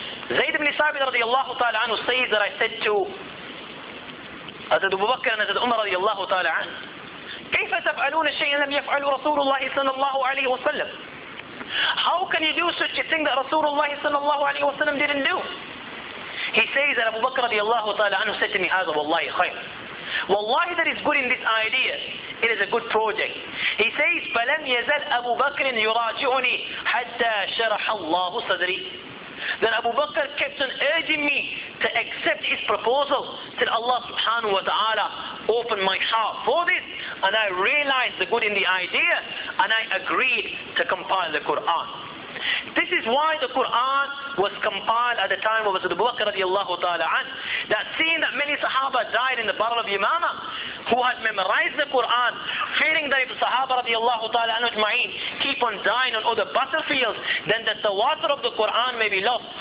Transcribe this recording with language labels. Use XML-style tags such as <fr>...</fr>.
<en>Zayd ibn Thabit radiallahu ta'ala anhu says that I said to Hazrat Abu Bakr and Hazrat Umar radiallahu ta'ala anhu,</en> <ar>كيف تفعلون شيئا لم يفعل رسول الله صلى الله عليه وسلم.</ar> <en>How can you do such a thing that Rasulullah</en> <ar>صلى الله عليه وسلم</ar> <en>didn't do? He says that Abu Bakr radiallahu ta'ala anhu said to me,</en> <ar>هذا والله خير.</ar> <en>Wallahi, there is good in this idea. It is a good project. He says,</en> <ar>فلم يزل أبو بكر يراجعني حتى شرح الله صدري.</ar> <en>Then Abu Bakr kept on urging me to accept his proposal. Till Allah subhanahu wa ta'ala opened my heart for this, and I realized the good in the idea, and I agreed to compile the Quran. This is why the Quran was compiled at the time of Hazrat Abu Bakr radiallahu ta'ala an, that seeing that many Sahaba died in the battle of Yamama, who had memorized the Quran, fearing that if Sahaba radiallahu ta'ala an ajma'in keep on dying on other battlefields, then the tawatir of the Quran may be lost.</en>